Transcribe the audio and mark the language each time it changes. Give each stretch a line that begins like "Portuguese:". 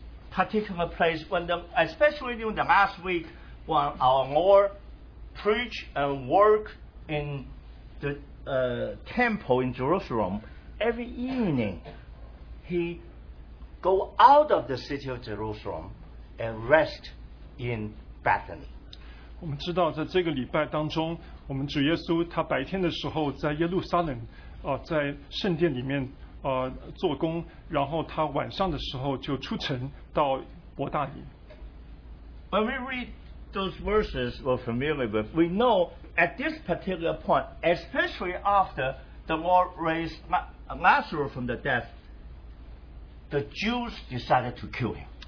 English: particular place, when the, especially during the last week, when our Lord preached and worked in the temple in Jerusalem, every evening he go out of the city of Jerusalem and rest in Bethany.
Chinese: 我们知道在这个礼拜当中，我们主耶稣他白天的时候在耶路撒冷，在圣殿里面做工，然后他晚上的时候就出城到伯大尼。
English: When we read those verses we're familiar with, we know at this particular point, especially after the Lord raised Lazarus from the dead, the Jews decided to kill him.